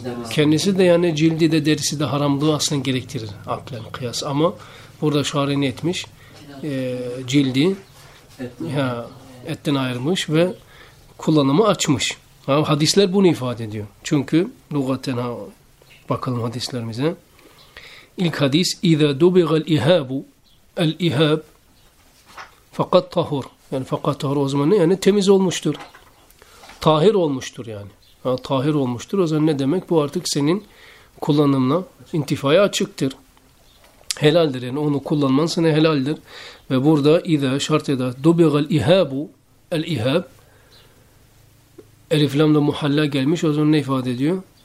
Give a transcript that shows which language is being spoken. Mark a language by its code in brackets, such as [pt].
[tr] Kendisi de yani cildi de derisi de haramlığı aslen gerektirir aklen kıyas. Ama burada şuari ne etmiş? Cildi ya, etten ayırmış ve kullanımı açmış. Ha, hadisler bunu ifade ediyor. Çünkü lugaten ha, bakalım hadislerimize. [ar] İlk hadis اِذَا دُبِغَ الْاِهَابُ الْاِهَابُ فَقَدْ tahur. [tr] Yani fakat tahur o zaman ne? Yani temiz olmuştur. Tahir olmuştur yani. Ha, tahir olmuştur. O zaman ne demek? Bu artık senin kullanımına, intifaya açıktır. Helaldir yani. Onu kullanman sana helaldir. Ve burada اِذَا şart [ar] اِذَا دُبِغَ الْاِهَابُ الْاِهَابُ [tr] Elif lamla muhalla gelmiş. O zaman ne ifade ediyor?